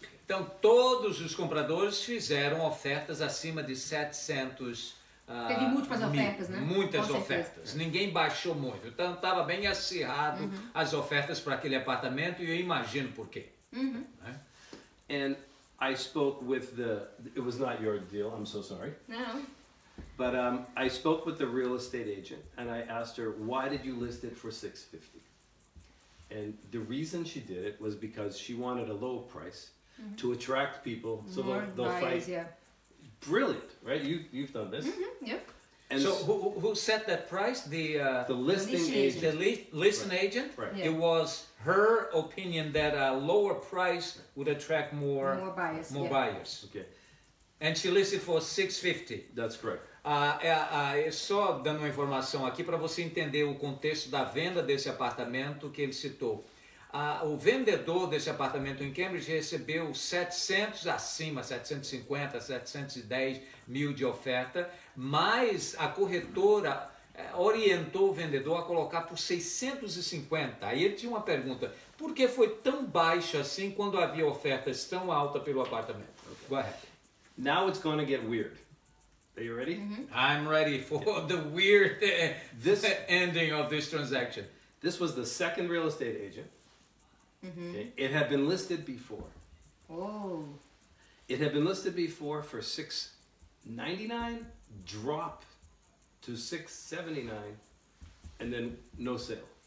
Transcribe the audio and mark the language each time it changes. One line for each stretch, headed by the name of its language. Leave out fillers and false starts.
Portuguese: Então, todos os compradores fizeram ofertas acima de 700 mil. Teve múltiplas ofertas, né? Muitas ofertas. Ninguém baixou muito. Então, estava bem acirrado as ofertas para aquele apartamento e eu imagino por quê. Uhum.
English: And I spoke with the... It was not your deal, I'm so sorry. No. But I spoke with the real estate agent and I asked her, why did you list it for $650,000? And the reason she did it was because she wanted a low price. Mm-hmm. To attract people, so they'll buyers, fight. Yeah. Brilliant, right? You've done this. Mm-hmm, yep. And so who set that price? The listing agent. Right. Yeah. It was her opinion that a lower price would attract more buyers. Okay. And she listed for $650,000. That's correct.
Portuguese: Só dando uma informação aqui para você entender o contexto da venda desse apartamento que ele citou. O vendedor desse apartamento em Cambridge recebeu 700 acima, 750, 710 mil de oferta, mas a corretora orientou o vendedor a colocar por 650. Aí ele tinha uma pergunta, por que foi tão baixo assim quando havia ofertas tão altas pelo apartamento?
English: Go ahead. Now it's going to get weird. Are you ready? Mm-hmm. I'm ready for the weird ending of this transaction. This was the second real estate agent. Mm-hmm. Okay. It had been listed before. Oh. It had been listed before for $699, drop to $679, and then no sale.